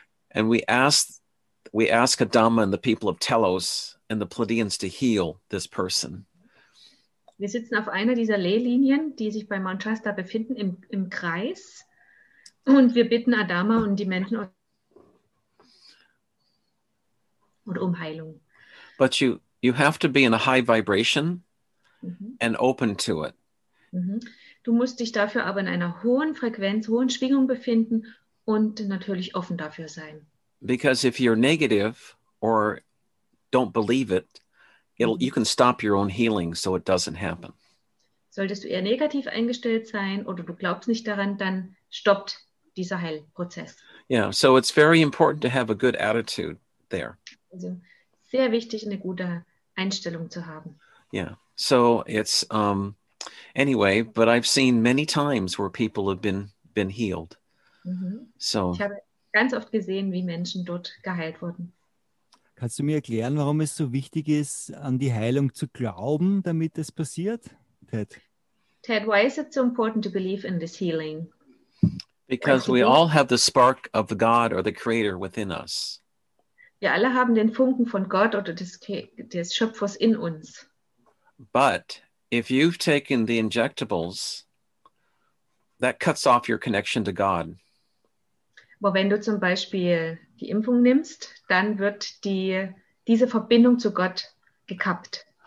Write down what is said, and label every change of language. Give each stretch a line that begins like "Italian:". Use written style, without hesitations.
English: And we ask Adama and the people of Telos and the Pleiadians to heal this person.
German: Wir sitzen auf einer dieser Leylinien, die sich bei Mount Shasta befinden, im Kreis. Und wir bitten Adama und die Menschen um Heilung.
English: But you have to be in a high vibration and open to it.
German: Du musst dich dafür aber in einer hohen Frequenz, hohen Schwingung befinden und natürlich offen dafür sein.
English: Because if you're negative or don't believe it, you can stop your own healing so it doesn't happen.
German: Solltest du eher negativ eingestellt sein oder du glaubst nicht daran, dann stoppt dieser Heilprozess.
English: Yeah, so it's very important to have a good attitude there.
German: Also sehr wichtig, eine gute Einstellung zu haben.
English: Yeah, so it's anyway, but I've seen many times where people have been healed. So
German: ich habe ganz oft gesehen, wie Menschen dort geheilt wurden. Kannst du mir erklären, warum es so wichtig ist, an die Heilung zu glauben, damit es passiert, Ted?
English: Ted, why is it so important to believe in this healing? Because we all have the spark of the God or the Creator within us.
German: Wir alle haben den Funken von Gott oder des Schöpfers in uns.
English: But if you've taken the injectables, that cuts off your connection to God.
German: Aber wenn du zum Beispiel die Impfung nimmst, dann wird diese Verbindung zu Gott gekappt.